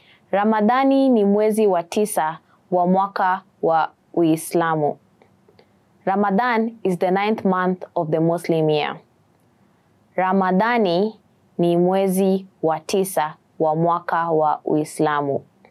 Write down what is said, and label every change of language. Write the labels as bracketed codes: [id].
[sw] Ramadhani ni mwezi wa tisa wa mwaka wa Uislamu. [en] Ramadan is the ninth month of the Muslim year. [sw] Ramadhani ni mwezi wa tisa wa mwaka wa Uislamu.